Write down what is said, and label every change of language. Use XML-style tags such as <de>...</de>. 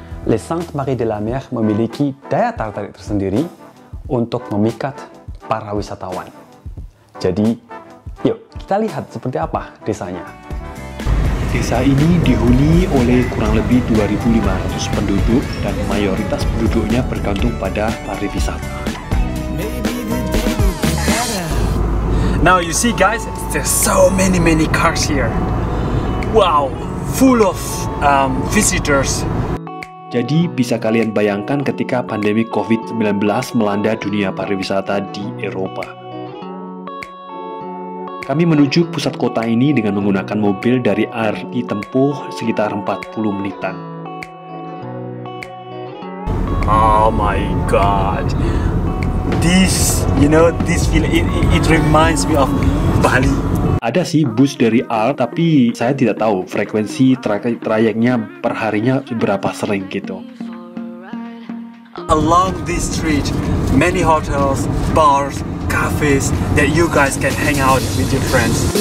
<id>Les Saintes Maries de la Mer memiliki daya tarik tersendiri untuk memikat para wisatawan. Jadi, yuk kita lihat seperti apa desanya. Desa ini dihuni oleh kurang lebih 2.500 penduduk dan mayoritas penduduknya bergantung pada pariwisata.</id> <en>Now you see guys, there's so many cars here. Wow, full of visitors.</en> <id>Jadi bisa kalian bayangkan ketika pandemi COVID-19 melanda dunia pariwisata di Eropa. Kami menuju pusat kota ini dengan menggunakan mobil dari RI tempuh sekitar 40 menitan.</id> <en>Oh my god. This, you know, this feel it reminds me of Bali.</en> <id>Ada sih bus dari R, tapi saya tidak tahu frekuensi trayeknya per harinya berapa sering gitu.</id> <en>Along this street, many hotels, bars, cafes that you guys can hang out with your friends.</en>